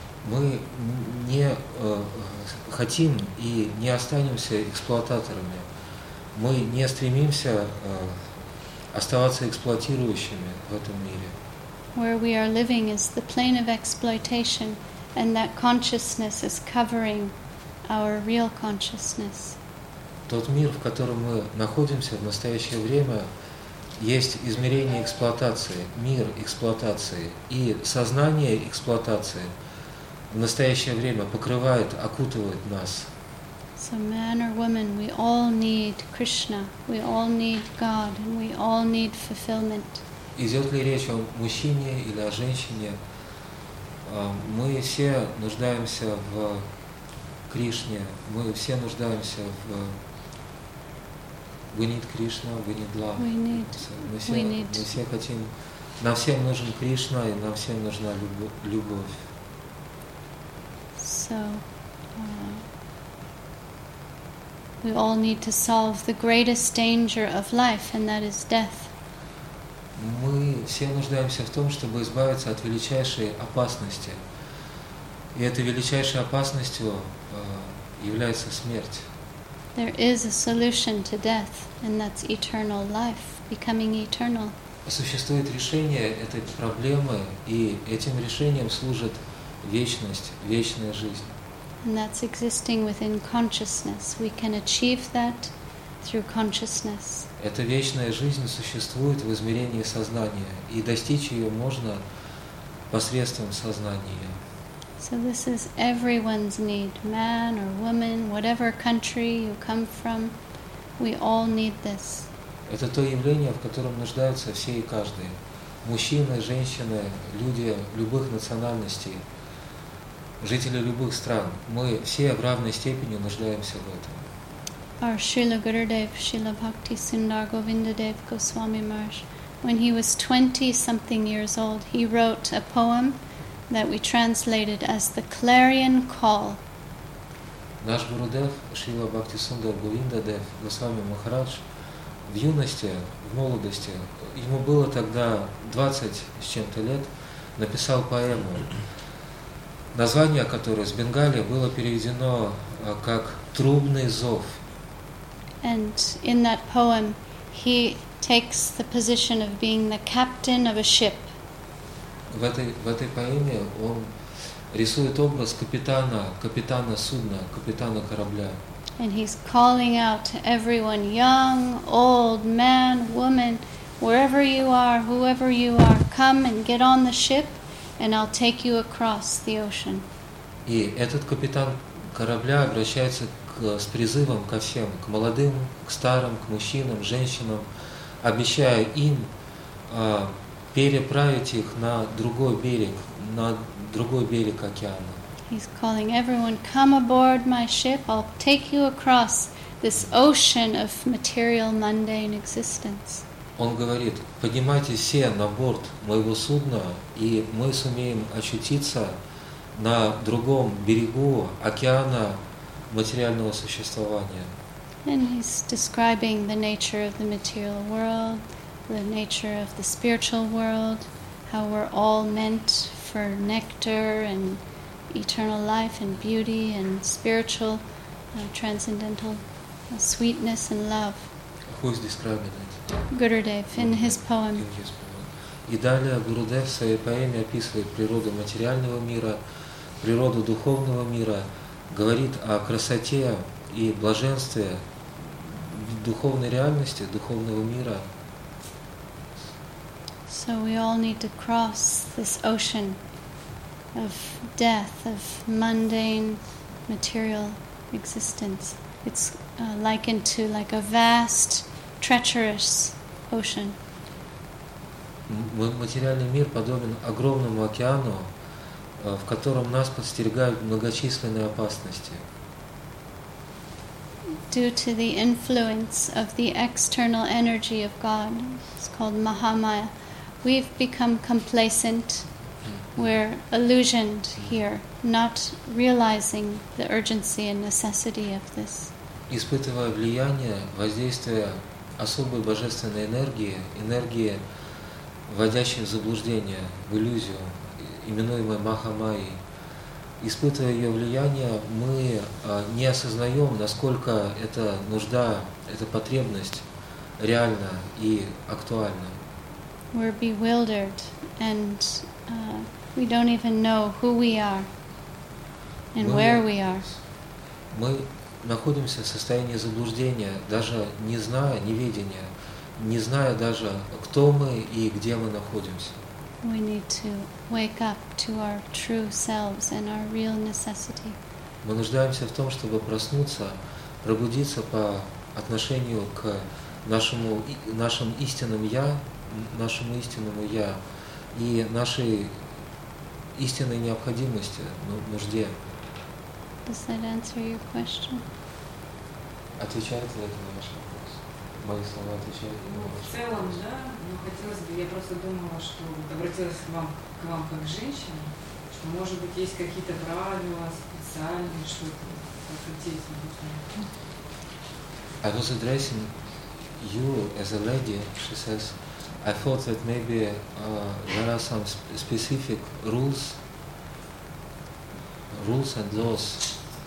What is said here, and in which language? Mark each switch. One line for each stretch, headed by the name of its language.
Russian: Мы не хотим и не останемся эксплуататорами. Мы не стремимся оставаться эксплуатирующими в этом мире.
English: Where we are living is the plane of exploitation, and that consciousness is covering our real consciousness.
Russian: Тот мир, в котором мы находимся в настоящее время, есть измерение эксплуатации, мир эксплуатации, и сознание эксплуатации в настоящее время покрывает, окутывает нас.
English: So man or woman, we all need Krishna, we all need God, and we all need fulfillment.
Russian: Идет ли речь о мужчине или о женщине? Мы все нуждаемся в Кришне, мы все нуждаемся в...
English: We need Krishna, we need love.
Russian: Мы все хотим... Нам всем нужен Кришна, и нам всем нужна любовь.
English: So... We all need to solve the greatest danger of life, and that is death.
Russian: Мы все нуждаемся в том, чтобы избавиться от величайшей опасности. И этой величайшей опасностью является смерть.
English: There is a solution to death, and that's eternal life, becoming eternal.
Russian: Существует решение этой проблемы, и этим решением служит вечность, вечная жизнь.
English: And that's existing within consciousness. We can achieve that through consciousness.
Russian: Эта вечная жизнь существует в измерении сознания, и достичь ее можно посредством сознания.
English: So this is everyone's need, man or woman, whatever country you come from, we all need this.
Russian: Это то явление, в котором нуждаются все и каждый. Мужчины, женщины, люди любых национальностей, жители любых стран. Мы все в равной степени нуждаемся в этом.
English: Our Srila Gurudev, Srila Bhakti Sundar Govindadev Goswami Maharaj, when he was 20-something years old, he wrote a poem that we translated as the Clarion Call.
Russian: Наш Гурудев, Шрила Бхакти Сундар Говиндадев, Госвами Махарадж, в юности, в молодости, ему было тогда 20 с чем-то лет, написал поэму, название которой с Бенгали было переведено как «Трубный зов».
English: And in that poem, he takes the position of being the captain of a ship.
Russian: В этой поэме он рисует образ капитана судна, капитана корабля.
English: And he's calling out to everyone, young, old, man, woman, wherever you are, whoever you are, come and get on the ship, and I'll take you across the ocean.
Russian: И этот капитан корабля обращается с призывом ко всем, к молодым, к старым, к мужчинам, женщинам, обещая им переправить их на другой берег, на другой берег океана.
English: He's calling everyone, come aboard my ship, I'll take you across this ocean of material mundane existence.
Russian: Он говорит, поднимайтесь все на борт моего судна, и мы сумеем очутиться на другом берегу океана материального существования.
English: And he's describing the nature of the material world, the nature of the spiritual world, how we're all meant for nectar and eternal life and beauty and spiritual transcendental sweetness and love. Who is describing it? Gurudev in his poem.
Russian: И далее Гурудев в своей поэме описывает природу материального мира, природу духовного мира, говорит о красоте и блаженстве духовной реальности, духовного мира.
English: So we all need to cross this ocean of death, of mundane material existence. It's likened to like a vast, treacherous ocean.
Russian: Материальный мир подобен огромному океану, в котором нас подстерегают многочисленные опасности.
English: Due to the influence of the external energy of God, it's called Mahamaya, we've become complacent, we're illusioned here, not realizing the urgency and necessity of this.
Russian: Испытывая влияние, воздействие особой божественной энергии, энергии, вводящей в заблуждение, в иллюзию, именуемой Махамайи, испытывая ее влияние, мы не осознаем, насколько эта нужда, эта потребность реальна и актуальна.
English: We're bewildered, and we don't even know who we are and where we are.
Russian: Мы находимся в состоянии заблуждения, даже не зная, неведения, не зная даже, кто мы и где мы находимся.
English: We need to wake up to our true selves and our real necessity.
Russian: Мы нуждаемся в том, чтобы проснуться, пробудиться по отношению к нашим истинным я, нашему истинному я и нашей истинной необходимости, нужде.
English: Does that answer your question?
Russian: Отвечает ли это на ваш вопрос? Мои слова отвечают на ваш вопрос? В целом, да. Но хотелось бы, я просто думала, что обратилась к вам как женщина, что, может быть, есть какие-то правила специальные, что-то хотите.
English: I was addressing you as a lady, she says. I thought that maybe there are some specific rules and laws.